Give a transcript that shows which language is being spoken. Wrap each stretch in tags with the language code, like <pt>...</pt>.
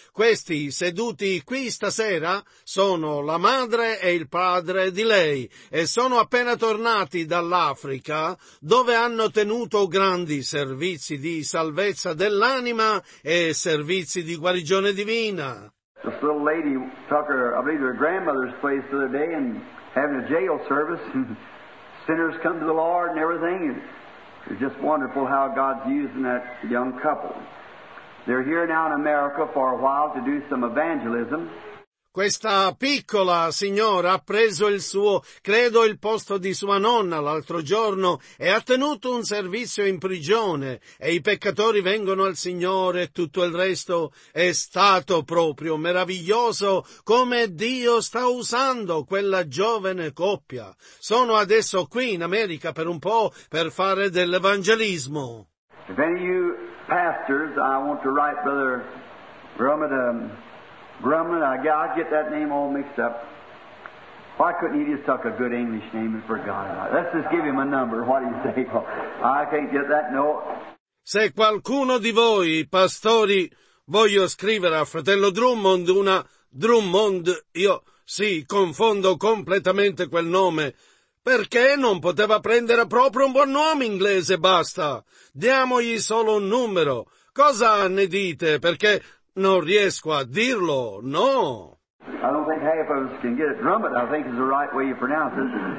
<it>Questi seduti qui stasera sono la madre e il padre di lei e sono appena tornati dall'Africa, dove hanno tenuto grandi servizi di salvezza dell'anima e servizi di guarigione divina.</it> <en>This little lady took her, I believe, to her grandmother's place the other day and having a jail service, and sinners come to the Lord and everything. It's just wonderful how God's using that young couple. They're here now in America for a while to do some evangelism.</en> <it>Questa piccola signora ha preso il suo, credo, il posto di sua nonna l'altro giorno e ha tenuto un servizio in prigione e i peccatori vengono al Signore e tutto il resto è stato proprio meraviglioso come Dio sta usando quella giovane coppia. Sono adesso qui in America per un po' per fare dell'evangelismo.</it> <en>If any of you pastors, I want to write Brother Grumman, I get that name all mixed up. Why couldn't he just tuck a good English name and forgot about it? Let's just give him a number. What do you say? Well, I can't get that note.</en> <it>Se qualcuno di voi, pastori, voglio scrivere a fratello Drummond una Drummond, io sì, confondo completamente quel nome. Perché non poteva prendere proprio un buon nome inglese, basta. Diamogli solo un numero. Cosa ne dite? Perché non riesco a dirlo, no.</it> <en>I don't think half of us can get it. Drummond, I think, is the right way you pronounce it.</en>